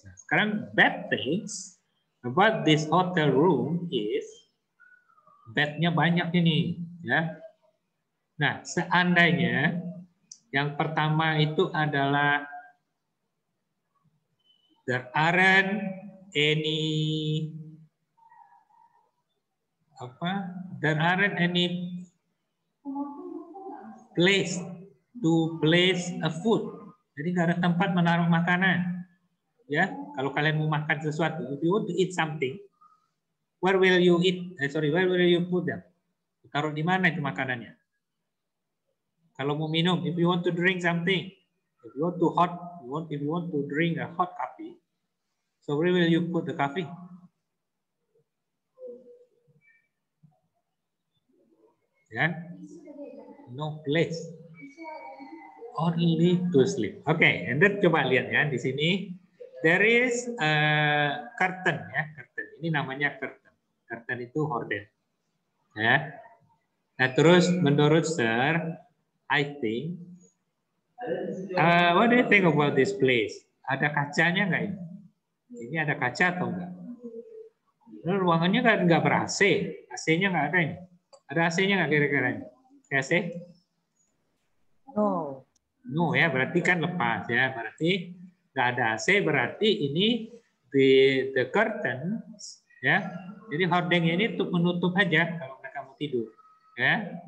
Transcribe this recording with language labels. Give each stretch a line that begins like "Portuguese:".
Indonesian: Nah, sekarang
English: bad things about this hotel room is
Indonesian: bednya banyak ini, ya. Nah, seandainya yang pertama itu adalah
English: there aren't any
Indonesian: apa?
English: There aren't any place to place a food.
Indonesian: Jadi nggak ada tempat menaruh makanan. Ya, kalau kalian mau makan sesuatu,
English: if you want to eat something, where will you eat? Where will you put them?
Indonesian: Taruh di mana itu makanannya? Kalau mau minum,
English: if you want to drink something, if you want to drink a hot coffee, so where will you put the coffee? Yeah, no place, only to sleep. Okay, and then
Indonesian: coba lihat ya di sini.
English: There is a curtain
Indonesian: ya, curtain. Ini namanya curtain. Curtain itu horden. Ya. Nah, terus menurut
English: sir, I think what do you think about this place?
Indonesian: Ada kacanya enggak ini? Ini ada kaca atau enggak? Ini ruangannya kan enggak ber-AC. AC-nya enggak ada ini. Ada AC-nya enggak kira-kira ini? AC?
English: No.
Indonesian: No ya, berarti kan lepas ya. Berarti nggak ada AC, berarti ini the curtain ya, jadi hordeng ini untuk menutup aja kalau mereka mau tidur ya.